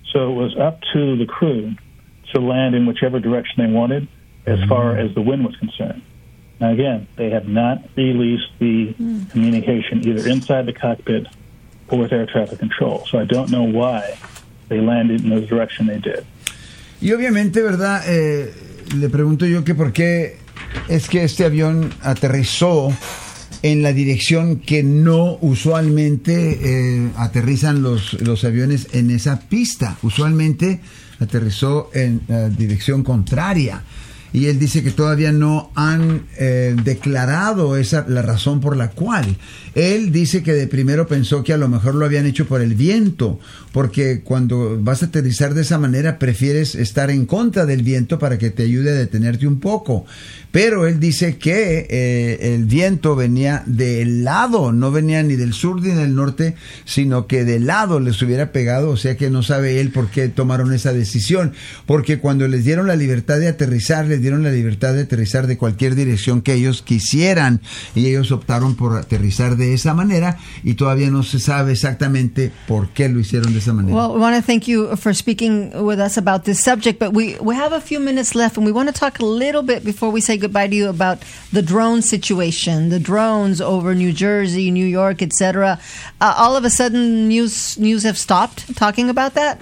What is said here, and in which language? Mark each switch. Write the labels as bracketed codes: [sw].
[en] So it was up to the crew to land in whichever direction they wanted as far as the wind was concerned. Now, again, they have not released the communication either inside the cockpit or with air traffic control. So I don't know why they landed in the direction they did. [es] Y obviamente, ¿verdad? Le pregunto yo que por qué es que este avión aterrizó en la dirección que no usualmente aterrizan los aviones en esa pista. Usualmente aterrizó en la dirección contraria. Y él dice que todavía no han declarado esa la razón por la cual. Él dice que de primero pensó que a lo mejor lo habían hecho por el viento, porque cuando vas a aterrizar de esa manera prefieres estar en contra del viento para que te ayude a detenerte un poco. Pero él dice que el viento venía del lado, no venía ni del sur ni del norte, sino que del lado les hubiera pegado, o sea que no sabe él por qué tomaron esa decisión, porque cuando les dieron la libertad de aterrizar, les dieron la libertad de aterrizar de cualquier dirección que ellos quisieran, y ellos optaron por aterrizar de esa manera, y todavía no se sabe exactamente por qué lo hicieron de esa manera. [en] Well, we want to thank you for speaking with us about this subject, but we have a few minutes left, and we want to talk a little bit before we say goodbye to you about the drone situation, the drones over New Jersey, New York, etc. All of a sudden, news have stopped talking about that.